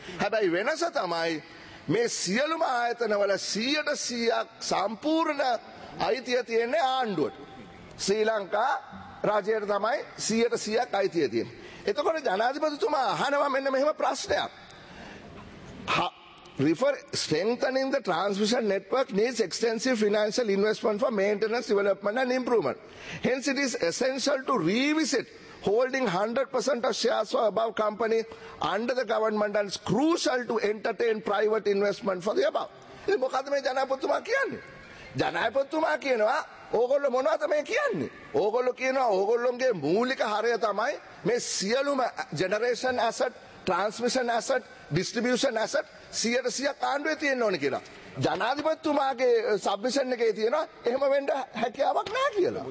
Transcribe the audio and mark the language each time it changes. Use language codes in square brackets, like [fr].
[si] හැබැයි වෙනස තමයි මේ සියලුම ආයතනවල 100%ක් සම්පූර්ණ අයිතිය තියෙන්නේ ආණ්ඩුවට. ශ්‍රී ලංකා රජයට තමයි 100%ක් අයිතිය තියෙන්නේ. එතකොට ජනාධිපතිතුමා අහනවා මෙන්න මෙහෙම ප්‍රශ්නයක්. [en] Refer strengthening the transmission network needs extensive financial investment for maintenance, development and improvement. Hence it is essential to revisit holding 100% of shares for above company under the government and it's crucial to entertain private investment for the above. [si] ඉතින් මොකද මේ ජනාධිපතිතුමා කියන්නේ? ජනාධිපතිතුමා කියනවා ඕගොල්ලෝ මොනවද මේ කියන්නේ? ඕගොල්ලෝ කියනවා ඕගොල්ලොන්ගේ මූලික හරය තමයි මේ සියලුම [en] generation asset, transmission asset, distribution asset [si] 100% ආණ්ඩුවේ තියෙන්න ඕනේ කියලා. ජනාධිපතිතුමාගේ සබ්මිෂන් එකේ තියෙනවා එහෙම වෙන්න හැකියාවක් නැහැ කියලා.